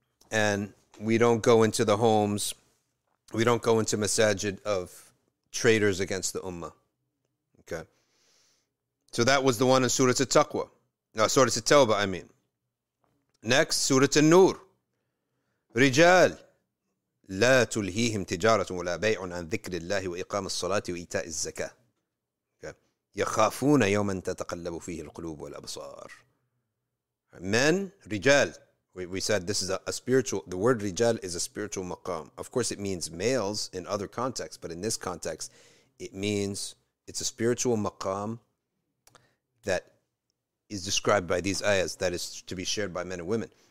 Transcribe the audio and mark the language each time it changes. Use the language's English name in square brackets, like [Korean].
[English] And we don't go into the homes, we don't go into masajid of traitors against the ummah. Okay. So that was the one in Surah At-Taqwa. No, Surah At-Tawbah, I mean. Next, Surah An-Nur. [Arabic] رجال لا تلهيهم تجارة ولا بيع عن ذكر الله وإقام الصلاة وإيتاء الزكاة. يخافون يوما تتقلب فيه القلوب والأبصار. [English] Men, رجال. We said this is a spiritual, the word رجال is a spiritual maqam. Of course, it means males in other contexts, but in this context, it means it's a spiritual maqam that is described by these ayahs that is to be shared by men and women.